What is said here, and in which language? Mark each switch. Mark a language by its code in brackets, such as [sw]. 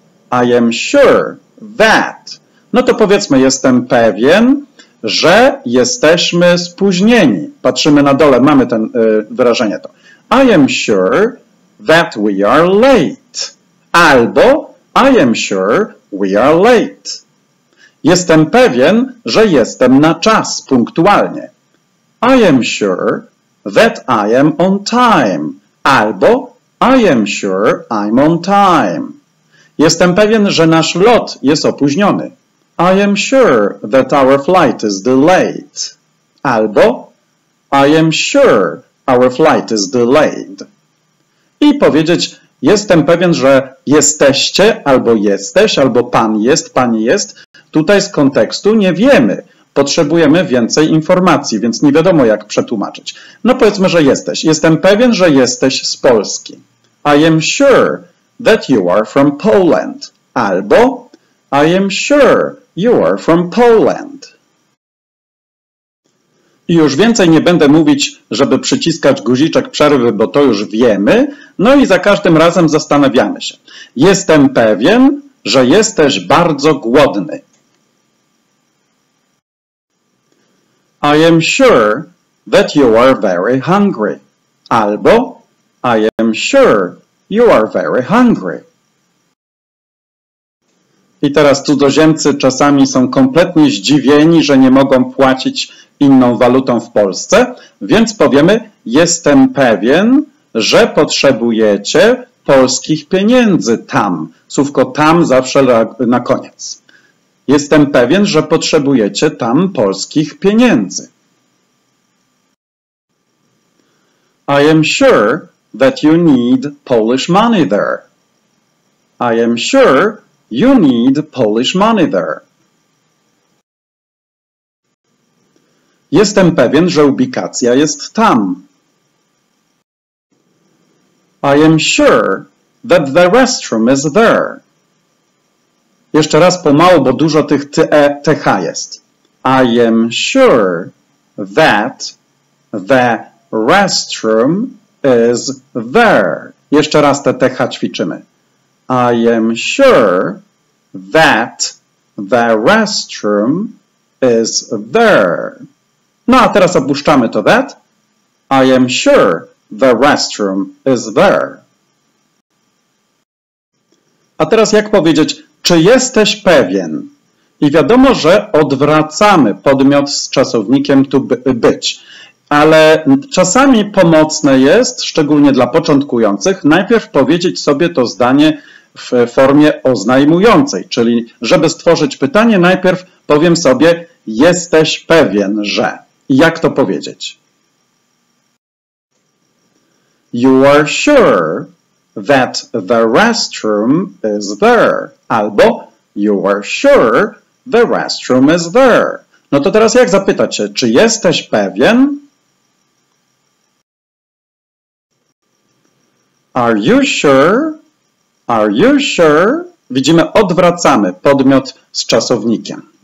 [en] I am sure that. [pl] No to powiedzmy jestem pewien, że jesteśmy spóźnieni. Patrzymy na dole, mamy ten wyrażenie to. [en] I am sure that we are late. Albo I am sure we are late. [pl] Jestem pewien, że jestem na czas, punktualnie. [en] I am sure that I am on time. Albo I am sure I'm on time. [pl] Jestem pewien, że nasz lot jest opóźniony. [en] I am sure that our flight is delayed. Albo I am sure our flight is delayed. [pl] I powiedzieć, jestem pewien, że jesteście, albo jesteś, albo pan jest, pani jest. Tutaj z kontekstu nie wiemy. Potrzebujemy więcej informacji, więc nie wiadomo, jak przetłumaczyć. No powiedzmy, że jesteś. Jestem pewien, że jesteś z Polski. [en] I am sure that you are from Poland. Albo I am sure you are from Poland. [pl] I już więcej nie będę mówić, żeby przyciskać guziczek przerwy, bo to już wiemy. No i za każdym razem zastanawiamy się. Jestem pewien, że jesteś bardzo głodny. [en] I am sure that you are very hungry. Albo I am sure you are very hungry. [pl] I teraz cudzoziemcy czasami są kompletnie zdziwieni, że nie mogą płacić inną walutą w Polsce, więc powiemy, jestem pewien, że potrzebujecie polskich pieniędzy tam. Słówko tam zawsze na koniec. Jestem pewien, że potrzebujecie tam polskich pieniędzy. [en] I am sure that you need Polish money there. I am sure you need Polish money there. [pl] Jestem pewien, że ubikacja jest tam. [en] I am sure that the restroom is there. [pl] Jeszcze raz pomału, bo dużo tych th jest. [en] I am sure that the restroom is there. [pl] Jeszcze raz te TH ćwiczymy. [en] I am sure that the restroom is there. [pl] No, a teraz opuszczamy to [en] that. I am sure the restroom is there. [pl] A teraz jak powiedzieć, czy jesteś pewien? I wiadomo, że odwracamy podmiot z czasownikiem to być. Ale czasami pomocne jest, szczególnie dla początkujących, najpierw powiedzieć sobie to zdanie w formie oznajmującej. Czyli żeby stworzyć pytanie, najpierw powiem sobie, jesteś pewien, że. Jak to powiedzieć? [en] You are sure that the restroom is there. Albo you are sure the restroom is there. [pl] No to teraz jak zapytać się, czy jesteś pewien? [en] Are you sure? Are you sure? [pl] Widzimy, odwracamy podmiot z czasownikiem.